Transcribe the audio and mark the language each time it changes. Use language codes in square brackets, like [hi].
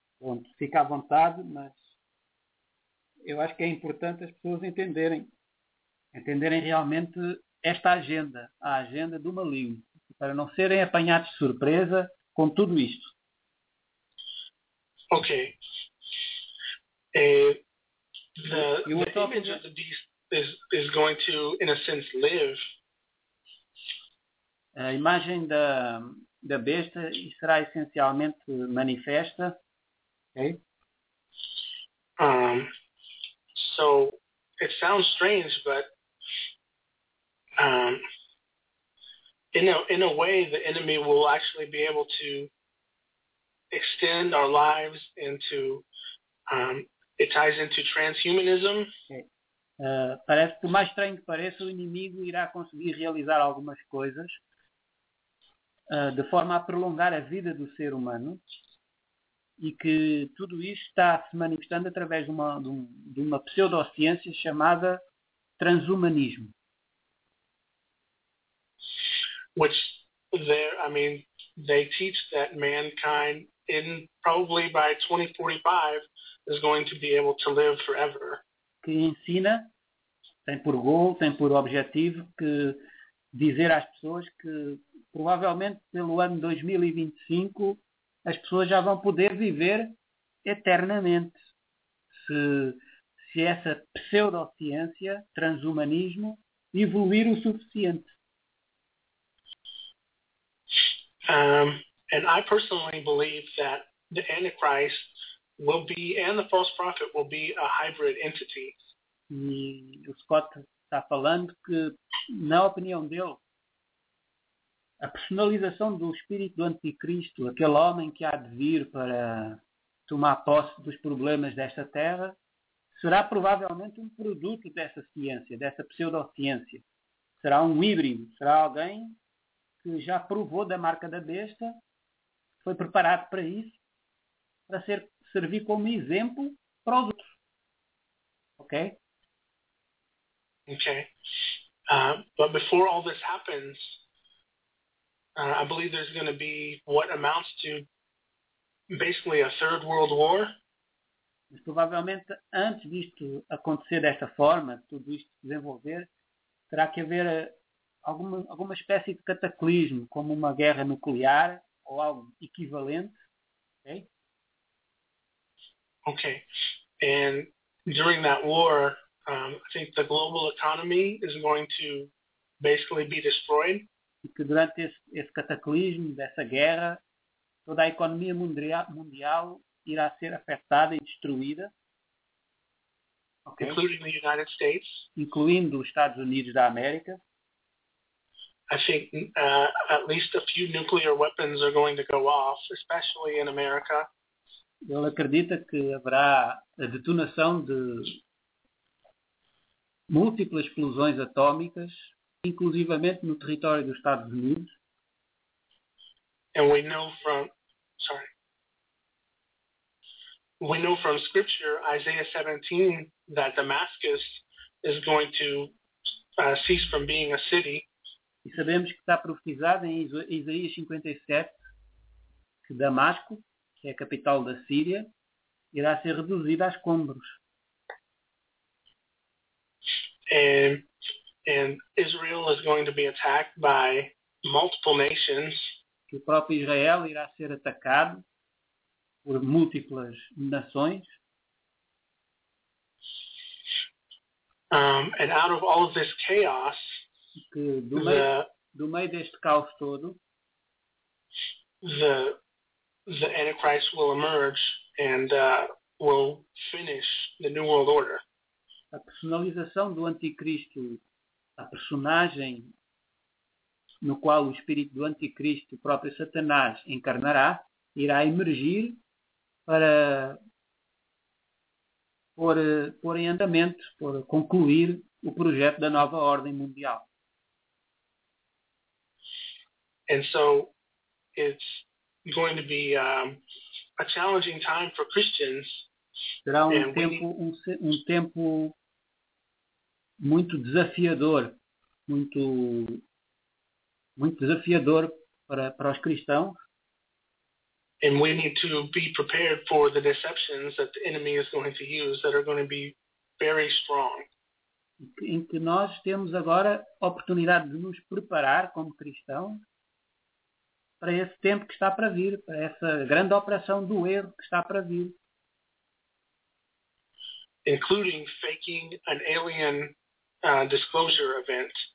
[pt] Bom, fica à vontade, mas eu acho que é importante as pessoas entenderem realmente esta agenda, a agenda do maligno. para não serem apanhados de surpresa com tudo isto. Ok. [en] The image of the beast is going to, in a sense, live. [pt] A imagem da besta será essencialmente manifesta. Okay. [en] So it sounds strange, but in a way, the enemy will actually be able to extend our lives into. It ties into transhumanism. [pt] Parece que, por mais estranho que pareça, o inimigo irá conseguir realizar algumas coisas de forma a prolongar a vida do ser humano, e que tudo isto está se manifestando através de uma pseudociência chamada transhumanismo. [en] Which they teach that mankind in probably by 2045 is going to be able to live forever. [pt] Que ensina, tem por gol, tem por objetivo, que dizer às pessoas que provavelmente pelo ano 2025 as pessoas já vão poder viver eternamente. Se essa pseudociência, transhumanismo, evoluir o suficiente. [en] And I personally believe that the Antichrist will be, and the false prophet will be, a hybrid entity. [pt] E o Scott está falando que, na opinião dele, a personalização do espírito do anticristo, aquele homem que há de vir para tomar posse dos problemas desta terra, será provavelmente um produto dessa ciência, dessa pseudociência. Será um híbrido, será alguém que já provou da marca da besta, foi preparado para isso, para servir como exemplo para os outros. Ok? Ok. [en] But before all this happens, I believe there's going to be what amounts to basically a third world war. [pt] Mas provavelmente antes disto acontecer desta forma, tudo isto desenvolver, terá que haver alguma espécie de cataclismo, como uma guerra nuclear ou algo equivalente. Ok? Ok. [en] And during that war, I think the global economy is going to basically be destroyed. [pt] E que durante esse cataclismo, dessa guerra, toda a economia mundial irá ser afetada e destruída. [en] Okay. Including the United States. [pt] Incluindo os Estados Unidos da América. [en] I think at least a few nuclear weapons are going to go off, especially in America. [pt] Ele acredita que haverá a detonação de múltiplas explosões atómicas, inclusivamente no território dos Estados Unidos. [en] And we know from Scripture, Isaiah 17, that Damascus is going to cease from being a city. [pt] E sabemos que está profetizado em Isaías 57 que Damasco, que é a capital da Síria, irá ser reduzida a escombros. [en] And Israel is going to be attacked by multiple nations. [pt] Que o próprio Israel irá ser atacado por múltiplas nações. [en] And out of all of this chaos, [pt] que do meio deste caos todo, [en] the Antichrist will emerge and will finish the New World Order. [pt] A personalização do anticristo, a personagem no qual o espírito do anticristo, o próprio Satanás, encarnará, irá emergir para pôr em andamento, por concluir o projeto da nova ordem mundial. [en] And so it's going to be a challenging time for Christians. [pt] Será um tempo muito desafiador, muito muito desafiador para os cristãos. [en] And we need to be prepared for the deceptions that the enemy is going to use that are going to be very strong. [pt] Em que nós temos agora a oportunidade de nos preparar como cristãos para esse tempo que está para vir, para essa grande operação do erro que está para vir. [en] Including faking an alien disclosure event.